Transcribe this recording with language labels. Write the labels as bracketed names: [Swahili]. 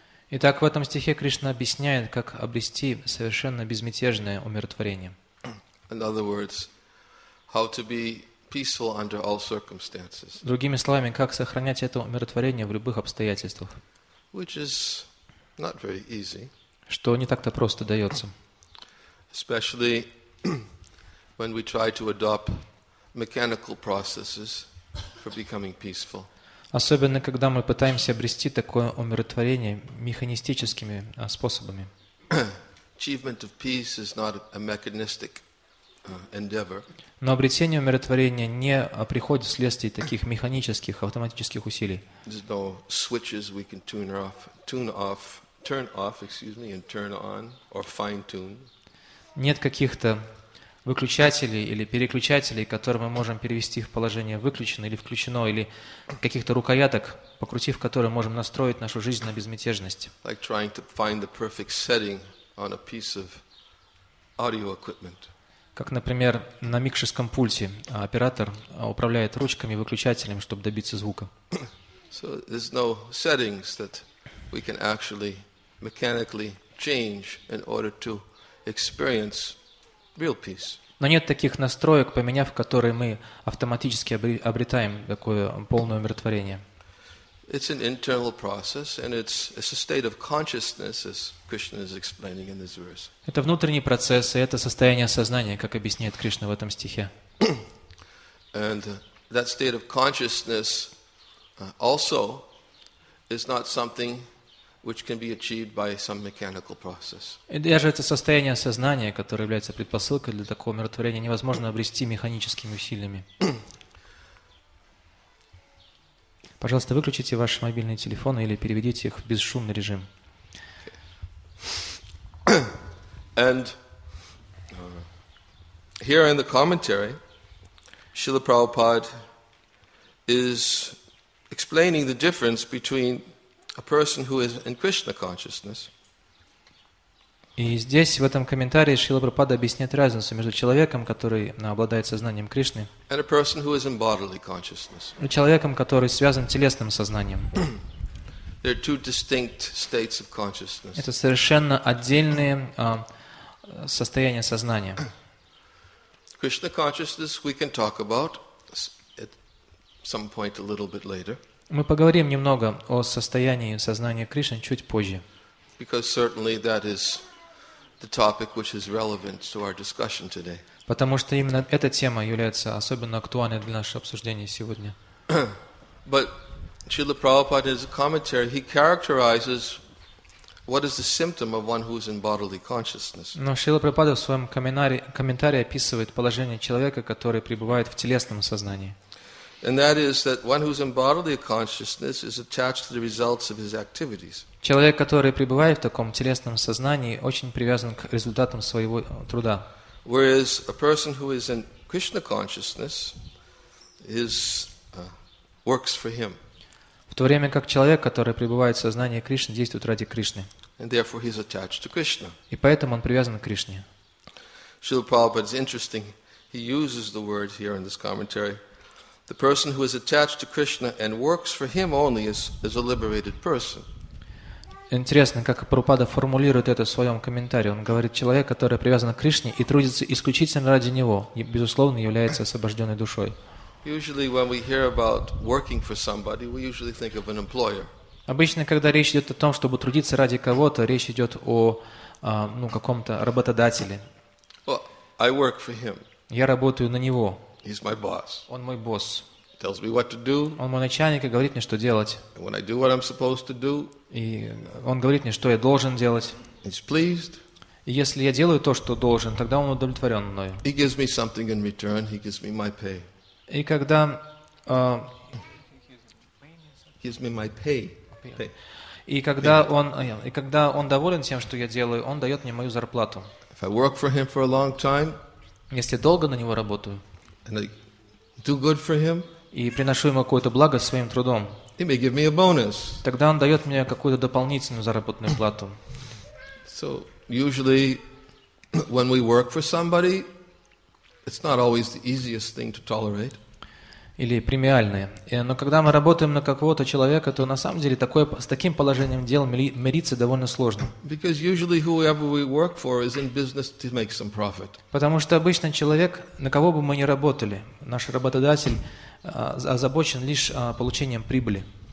[Russian] Итак, в этом стихе Кришна объясняет, как обрести совершенно безмятежное умиротворение. [English] In other words, how to be peaceful under all circumstances. [Russian] Другими словами, как сохранять это умиротворение в любых обстоятельствах. [English] Which is not very easy. [Russian] Что не так-то просто дается. [English] Especially when we try to adopt mechanical processes for becoming peaceful. [Russian] Особенно, когда мы пытаемся обрести такое умиротворение механистическими способами. [English] Achievement of peace is not a mechanistic endeavor. [Russian] Но обретение умиротворения не приходит вследствие таких механических, автоматических усилий. [English] There's no switches we can turn off, and turn on, or fine-tune. [Russian] Нет каких-то выключателей или переключателей, которые мы можем перевести в положение выключено или включено, или каких-то рукояток, покрутив которые, можем настроить нашу жизнь на безмятежность. [English] Like trying to find the perfect setting on a piece of audio equipment. [Russian] Как, например, на микшерском пульте оператор управляет ручками и выключателем, чтобы добиться звука. [English] So there's no settings that we can actually mechanically change in order to experience real peace. [Russian] Но нет таких настроек, поменяв которые, мы автоматически обретаем такое полное умиротворение. [English] It's an internal process, and it's a state of consciousness, as Krishna is explaining in this verse. [Russian] Это внутренний процесс, и это состояние сознания, как объясняет Кришна в этом стихе. [English] And that state of consciousness also is not something which can be achieved by some mechanical process. [Russian] И даже это состояние сознания, которое является предпосылкой для такого умиротворения, невозможно обрести механическими усилиями. Пожалуйста, выключите ваши мобильные телефоны или переведите их в бесшумный режим. [English] And here in the commentary, Srila Prabhupada is explaining the difference between a person who is in Krishna consciousness. [Russian] И здесь, в этом комментарии, Шрила Прабхупада объясняет разницу между человеком, который обладает сознанием Кришны, [English] and a person who is in bodily consciousness. [Russian] И человеком, который связан с телесным сознанием. [English] There are two distinct states of consciousness. [Russian] Это совершенно отдельные состояния сознания. [English] Krishna consciousness we can talk about at some point a little bit later. [Russian] Мы поговорим немного о состоянии сознания Кришны чуть позже. [English] Because certainly that is the topic which is relevant to our discussion today. [Russian] Потому что именно эта тема является особенно актуальной для нашего обсуждения сегодня. [English] But Srila Prabhupada in his commentary, he characterizes what is the symptom of one who is in bodily consciousness. [Russian] Но Шрила Прабхупада в своем комментарии описывает положение человека, который пребывает в телесном сознании. [English] And that is that one who is in bodily consciousness is attached to the results of his activities. [Russian] Человек, который пребывает в таком телесном сознании, очень привязан к результатам своего труда. [English] Whereas a person who is in Krishna consciousness is works for him. [Russian] В то время как человек, который пребывает в сознании Кришны, действует ради Кришны. [English] And therefore he is attached to Krishna. [Russian] И поэтому он привязан к Кришне. [English] Srila Prabhupada is interesting. He uses the word here in this commentary. The person who is attached to Krishna and works for him only is a liberated person. [Russian] Интересно, как Прабхупада формулирует это в своем комментарии. Он говорит, человек, который привязан к Кришне и трудится исключительно ради него, безусловно, является освобожденной душой. [English] Usually when we hear about working for somebody, we usually think of an employer. [Russian] Обычно, когда речь идет о том, чтобы трудиться ради кого-то, речь идет о каком-то работодателе. [English] Well, I work for him. [Russian] Я работаю на него. [English] He's my boss. [Russian] Он мой босс. [English] Tells me what to do. [Russian] Он мой начальник и говорит мне, что делать. [English] And when I do what I'm supposed to do, [Russian] и он говорит мне, что я должен делать. [English] He's pleased. [Russian] И если я делаю то, что должен, тогда он удовлетворен мной. [English] He gives me something in return. He gives me my pay. [Russian] И когда [English] gives me my pay. [Russian] И когда он доволен тем, что я делаю, он дает мне мою зарплату. [English] If I work for him for a long time, [Russian] если долго на него работаю. [English] And I do good for him. [Russian] И приношу ему какое-то благо своим трудом. [English] He may give me a bonus. [Russian] Тогда он дает мне какую-то дополнительную заработную плату. [English] So usually, when we work for somebody, it's not always the easiest thing to tolerate. [Russian] или премиальные. Но когда мы работаем на какого-то человека, то на самом деле такое, с таким положением дел мириться довольно сложно. [English] Because usually whoever we work for is in business to make some profit. [Russian] Потому что обычно человек, на кого бы мы ни работали, наш работодатель озабочен лишь получением прибыли.